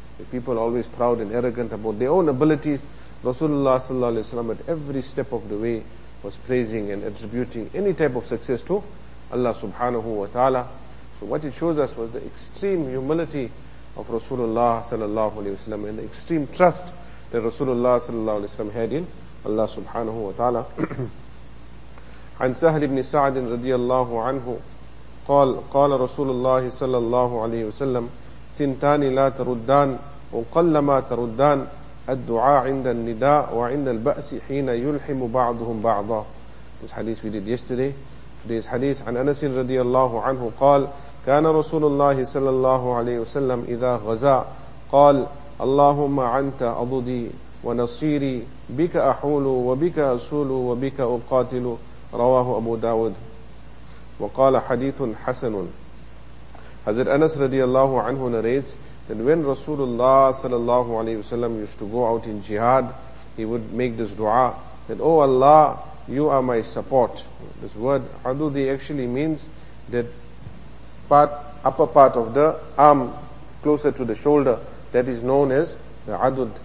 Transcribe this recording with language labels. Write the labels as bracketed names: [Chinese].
[English] If people are always proud and arrogant about their own abilities, Rasulullah sallallahu alaihi wasallam at every step of the way was praising and attributing any type of success to Allah subhanahu wa ta'ala. So what it shows us was the extreme humility of Rasulullah sallallahu alaihi wasallam and the extreme trust that Rasulullah sallallahu alaihi wasallam had in Allah subhanahu wa ta'ala. [Arabic] عن سهل بن سعد رضي الله عنه قال قال رسول الله صلى الله عليه وسلم تنتان لا تردان وقل ما تردان الدعاء عند النداء وعند البأس حين يلحم بعضهم بعضا. [English] This hadith we did yesterday. Today's hadith [Arabic] عن أنس رضي الله عنه قال كان رسول الله صلى الله عليه وسلم إذا غزا قال اللهم أنت أضدي ونصيري بك أحول وبك أسول وبك أقاتل. رواه أبو داود وقال حديث حسن. [English] Hazrat Anas radiallahu anhu narrates that when Rasulullah sallallahu alayhi wasallam used to go out in jihad, he would make this dua that, oh Allah, you are my support. This word adudi actually means that part, upper part of the arm closer to the shoulder, that is known as the adud.